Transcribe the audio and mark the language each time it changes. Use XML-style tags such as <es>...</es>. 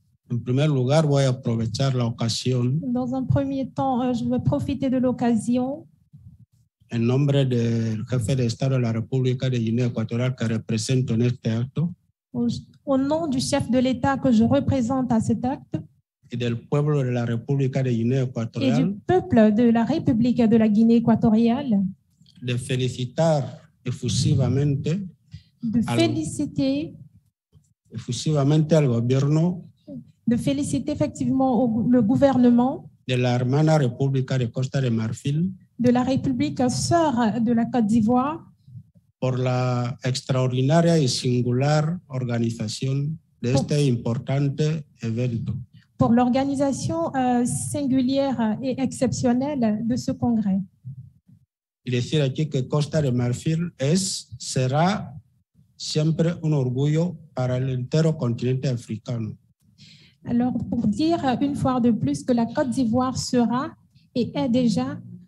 <es>En primer lugar, voy a aprovechar la ocasión.</es> <fr>Dans un premier temps, je vais profiter de l'occasion.</fr> <es>En nombre del jefe de Estado de la República de Guinea Ecuatorial que represento en este acto.</es> <fr>Au nom du chef de l'État que je représente à cet acte.</fr> <es>Y del pueblo de la República de Guinea Ecuatorial.</es> <fr>Et du peuple de la République de la Guinée Équatoriale.</fr> <es>De felicitar efusivamente.</es> <fr>De féliciter.</fr> <es>Efusivamente al gobierno.</es> <fr>De féliciter effectivement le gouvernement</fr> <es>de la hermana República de Costa de Marfil,</es> <fr>de la République sœur de la Côte d'Ivoire,</fr> <es>por la extraordinaria y singular organización de este importante evento.</es> <fr>Pour l'organisation singulière et exceptionnelle de ce congrès.</fr> <es>Y decir aquí que Costa de Marfil es, será siempre un orgullo para el entero continente africano.</es> <fr>Alors, pour dire une fois de plus que la Côte d'Ivoire sera et est déjà</fr>